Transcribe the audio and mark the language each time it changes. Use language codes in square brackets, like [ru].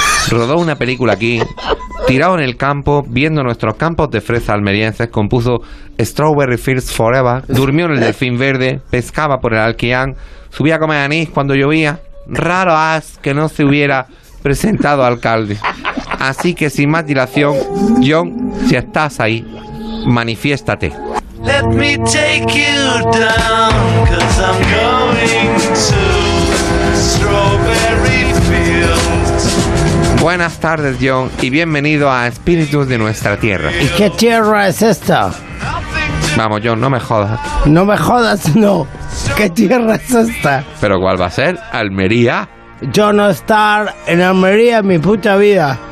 [es] Rodó una película aquí, tirado en el campo, viendo nuestros campos de fresa almerienses, compuso Strawberry Fields Forever, durmió en el delfín verde, pescaba por el Alquián, subía a comer anís cuando llovía. Raro es que no se hubiera presentado alcalde. Así que sin más dilación, John, si estás ahí, manifiéstate. [en] Let me take you down, 'cause I'm going to Strawberry Fields. [es] Buenas tardes, John, y bienvenido a Espíritus de Nuestra Tierra. ¿Y qué tierra es esta? Vamos, John, no me jodas. No me jodas, no. ¿Qué tierra es esta? ¿Pero cuál va a ser? ¿Almería? Yo no estar en Almería en mi puta vida.